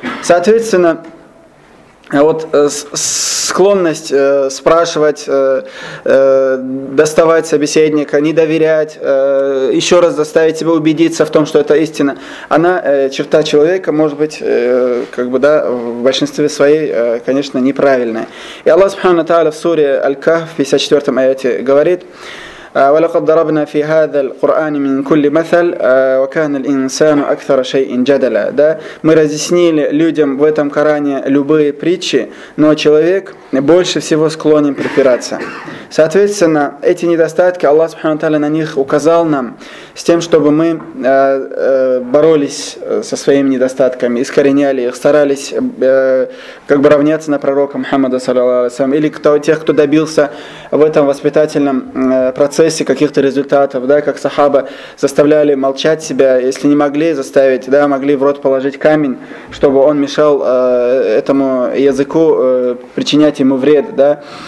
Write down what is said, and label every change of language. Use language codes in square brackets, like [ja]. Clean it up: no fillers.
[ru] Соответственно, вот склонность спрашивать, доставать собеседника, не доверять, еще раз заставить себя убедиться в том, что это истина, она черта человека, может быть, как бы, да, в большинстве своей, конечно, неправильная. И Аллах Субхану Та'аля в суре Аль-Кахф, в 54-м аяте, говорит: [ar] ولقد ضربنا في هذا القرآن من كل مثل وكان الإنسان أكثر شيء جدلا. [ru] Да, мы разъяснили людям в этом Коране любые притчи, но человек больше всего склонен препираться. Соответственно, эти недостатки Аллах Субхану Тааля на них указал нам с тем, чтобы мы боролись со своими недостатками, искореняли их, старались как бы равняться на пророка Мухаммада саллаллаху алейхи ва саллям, или кто, тех, кто добился в этом воспитательном процессе каких-то результатов, да, как сахаба заставляли молчать себя, если не могли заставить, да, могли в рот положить камень, чтобы он мешал этому языку причинять ему вред, да.